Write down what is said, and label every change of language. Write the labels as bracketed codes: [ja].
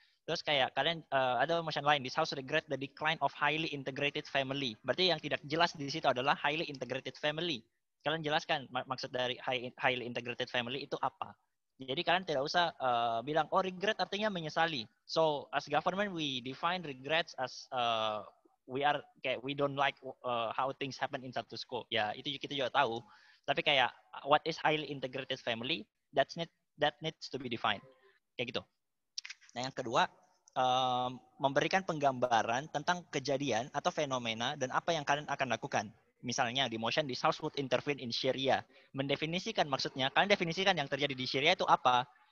[id] Terus kayak kalian ada motion lain, [en] this house regret the decline of highly integrated family. [id] Berarti yang tidak jelas di situ adalah highly integrated family. Kalian jelaskan maksud dari highly integrated family itu apa. Jadi kalian tidak usah bilang, oh regret artinya menyesali. [en] So as government we define regrets as we don't like how things happen in status quo. [id] Ya itu kita juga tahu. Tapi kayak [en] what is highly integrated family, that needs to be defined. [id] Kayak gitu. Nah, yang kedua, memberikan penggambaran tentang kejadian atau fenomena dan apa yang kalian akan lakukan. Misalnya di motion, [en] this house would intervene in Syria. [id] Mendefinisikan maksudnya, kalian definisikan yang terjadi di Syria itu apa?